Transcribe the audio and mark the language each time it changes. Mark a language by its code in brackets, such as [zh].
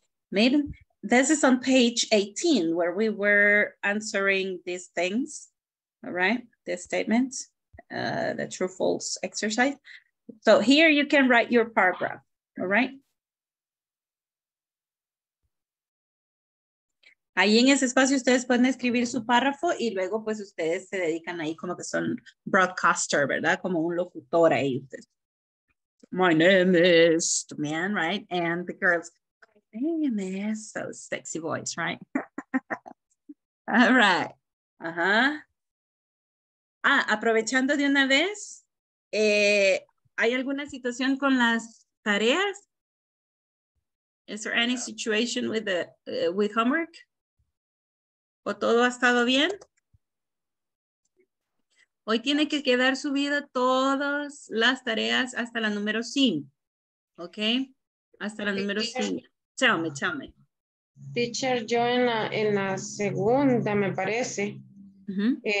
[en] Miren, this is on page 18 where we were answering these things, all right? This statement, the true false exercise. So here you can write your paragraph, all right? [es] Ahí en ese espacio ustedes pueden escribir su párrafo y luego pues ustedes se dedican ahí como que son broadcaster, ¿verdad? Como un locutor ahí ustedes. [en] My name is the man, right? And the girl's name is so sexy voice, right? All right. Uh-huh. [es] Ah, aprovechando de una vez, ¿hay alguna situación con las tareas? [en] Is there any situation with the with homework? [es] ¿O todo ha estado bien? Hoy tiene que quedar subida todas las tareas hasta la número 5. ¿Ok? Hasta la número 5. [en] Tell me. [es] Teacher, yo en la segunda, me parece, uh-huh.